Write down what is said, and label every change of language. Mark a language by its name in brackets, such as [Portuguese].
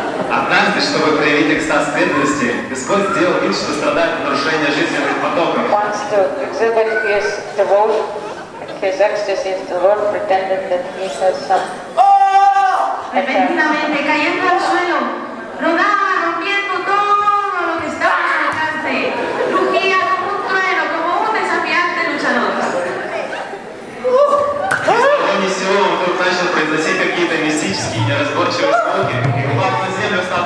[Russian] Однажды, чтобы проявить экстаз бедности, Господь сделал вид, что страдает от нарушения жизненных потоков. [English] Once to exhibit his devotion, his ecstasy, the Lord pretended that he has some... [Spanish] Repentinamente, cayendo al suelo, rodaba, rompiendo todo lo que estaba en su alcance. Rugía como un trueno, como un desafiante luchador. [Russian] Ни с того ни с сего, он вдруг начал произносить какие-то мистические, неразборчивые звуки.